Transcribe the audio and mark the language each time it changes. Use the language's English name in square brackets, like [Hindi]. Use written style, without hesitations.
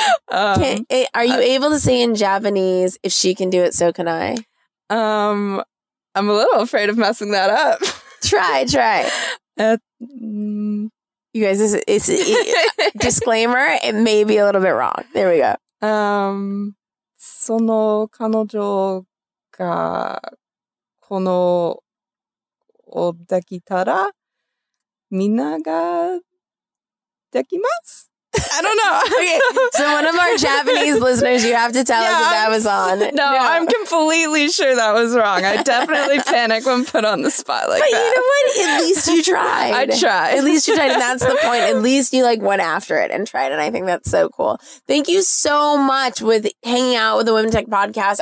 [English] Are you able to say in Japanese, if she can do it, so can I? I'm a little afraid of messing that up. Try. You guys, disclaimer, it may be a little bit wrong. There we go. [Japanese] その彼女がこのを抱きたら、みんなが抱きます。 [English] I don't know. Okay, so one of our Japanese listeners, you have to tell us if that was on. No, I'm completely sure that was wrong. I definitely panic when put on the spot like but that. But you know what? At least you tried. I tried. At least you tried. And that's the point. At least you like went after it and tried. And I think that's so cool. Thank you so much with hanging out with the Women Tech Podcast.